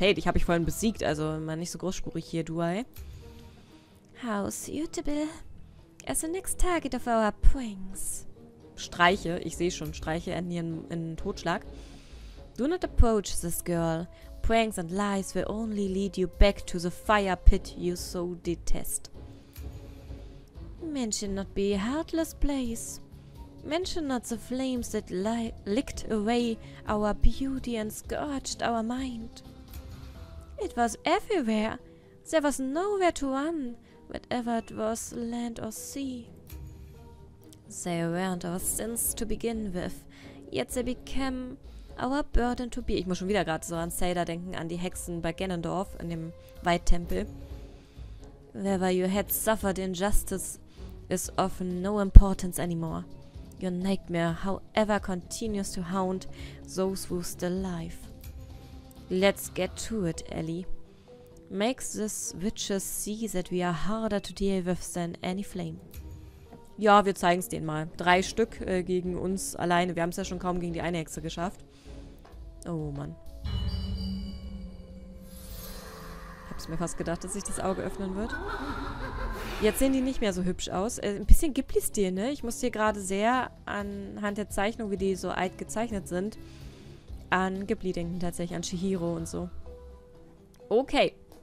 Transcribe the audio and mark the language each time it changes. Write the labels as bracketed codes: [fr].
[de] Hey, dich habe ich vorhin besiegt, also mal nicht so großspurig hier, [en] do I? How suitable as the next target of our pranks. [de] Streiche, ich sehe schon, Streiche enden hier in Totschlag. [en] Do not approach this girl. Pranks and lies will only lead you back to the fire pit you so detest. Men should not be a heartless place. Men should not the flames that licked away our beauty and scorched our mind. It was everywhere. There was nowhere to run, whatever it was, land or sea. They weren't our sins to begin with, yet they became our burden to be. [de] Ich muss schon wieder gerade so an Zelda denken, an die Hexen bei Ganondorf in dem Waldtempel. [en] Whether you had suffered injustice is often no importance anymore. Your nightmare, however, continues to haunt those who still live. Let's get to it, Ellie. Make this witches see that we are harder to deal with than any flame. [de] Ja, wir zeigen es denen mal. Drei Stück gegen uns alleine. Wir haben es ja schon kaum gegen die eine Hexe geschafft. Oh Mann. Hab's mir fast gedacht, dass sich das Auge öffnen wird. Jetzt sehen die nicht mehr so hübsch aus. Ein bisschen Ghibli-Stil, ne? Ich muss hier gerade sehr anhand der Zeichnung, wie die so alt gezeichnet sind, an Ghibli denken tatsächlich, an Chihiro und so. Okay.